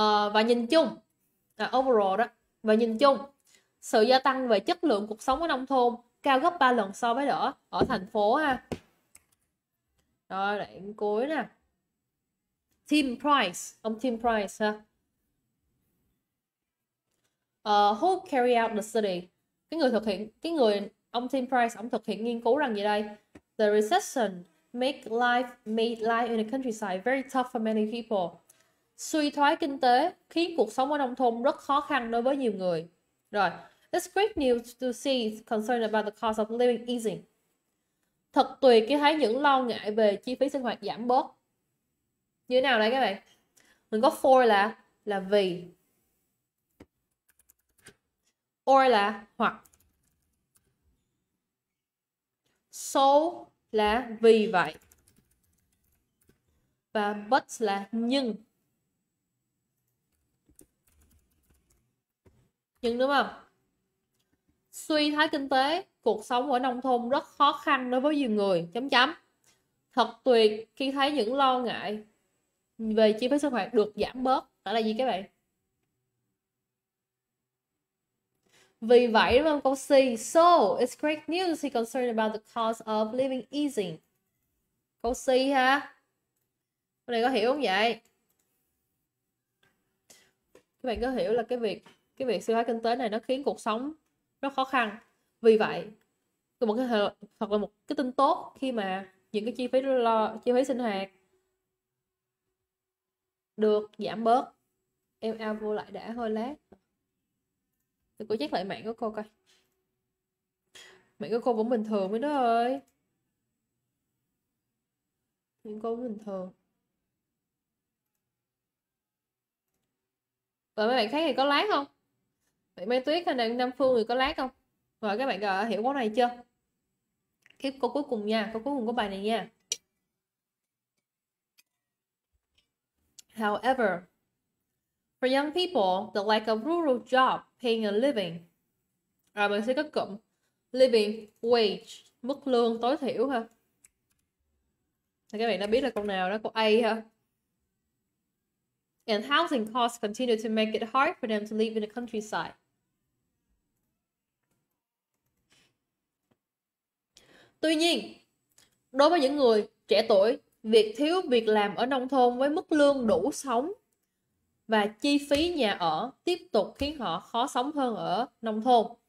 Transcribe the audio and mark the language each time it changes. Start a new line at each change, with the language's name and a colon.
Vietnamese: Và nhìn chung overall đó và nhìn chung sự gia tăng về chất lượng cuộc sống ở nông thôn cao gấp 3 lần so với ở thành phố ha. Rồi đoạn cuối nè. Tim Price, ông Tim Price ha. Who carry out the study? Cái người thực hiện cái người ông Tim Price ông thực hiện nghiên cứu rằng gì đây?
English: The recession made life in the countryside very tough for many people.
Vietnamese: Suy thoái kinh tế khiến cuộc sống ở nông thôn rất khó khăn đối với nhiều người.
English: Rồi, it's great news to see concern about the cost of living easing.
Vietnamese: Thật tuyệt khi thấy những lo ngại về chi phí sinh hoạt giảm bớt. Như thế nào đấy các bạn? Mình có for là vì. Or là hoặc. So là vì vậy. Và but là nhưng. Nhưng đúng không? Suy thoái kinh tế, cuộc sống ở nông thôn rất khó khăn đối với nhiều người. Chấm chấm. Thật tuyệt khi thấy những lo ngại về chi phí sinh hoạt được giảm bớt. Đó là gì các bạn? Vì vậy đúng không? Câu C.
English: So, it's great news he concerned about the cost of living easing.
Vietnamese: Câu C ha. Câu này có hiểu không vậy? Các bạn có hiểu là cái việc suy thoái kinh tế này nó khiến cuộc sống nó khó khăn. Vì vậy, một cái hoặc là một cái tin tốt khi mà những cái chi phí sinh hoạt được giảm bớt. Em ao vô lại đã hơi lát. Tôi có chắc lại mạng của cô coi. Mấy cái cô vẫn bình thường mới đó ơi. Những cô bình thường. Và mấy bạn khác thì có lát không? Mấy Mai Tuyết hay là Nam Phương thì có lát không? Rồi các bạn có hiểu câu này chưa? Tiếp câu cuối cùng nha, câu cuối cùng của bài này nha.
English: However, for young people, the lack of rural job paying a living.
Vietnamese: Rồi mình sẽ có cụm living wage, mức lương tối thiểu ha. Thì các bạn đã biết là câu nào đó, câu A ha.
English: And housing costs continue to make it hard for them to live in the countryside.
Vietnamese: Tuy nhiên, đối với những người trẻ tuổi, việc thiếu việc làm ở nông thôn với mức lương đủ sống và chi phí nhà ở tiếp tục khiến họ khó sống hơn ở nông thôn.